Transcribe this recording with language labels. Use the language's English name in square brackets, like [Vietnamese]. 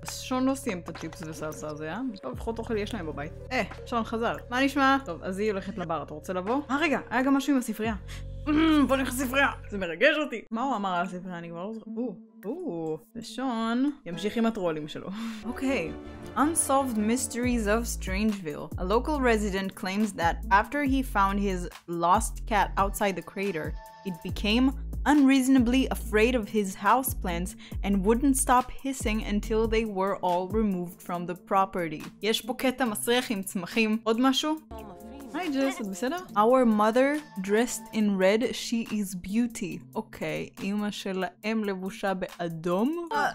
[Hebrew] שון לא סיים את הטיפס וסלסה הזה, אה? טוב, לפחות אוכל יש להם בבית. שון חזר. מה נשמע? טוב, אז היא הולכת לבר, אתה רוצה לבוא? אה רגע, היה גם משהו עם הספרייה. בוא נלך לספרייה. זה מרגש אותי. מה הוא אמר על הספרייה? אני כבר לא זוכר. ושון ימשיך עם הטרולים שלו. [English] אוקיי. Unsolved Mysteries of Strangeville. A local resident claims that after he found his lost cat outside the crater, it became unreasonably afraid of his houseplants and wouldn't stop hissing until they were all removed from the property. [Hebrew] יש פה קטע מסריח עם צמחים. עוד משהו? היי ג'ס, את בסדר? [English] Our mother dressed in red, she is beauty. [Hebrew] אוקיי, אמא שלהם לבושה באדום?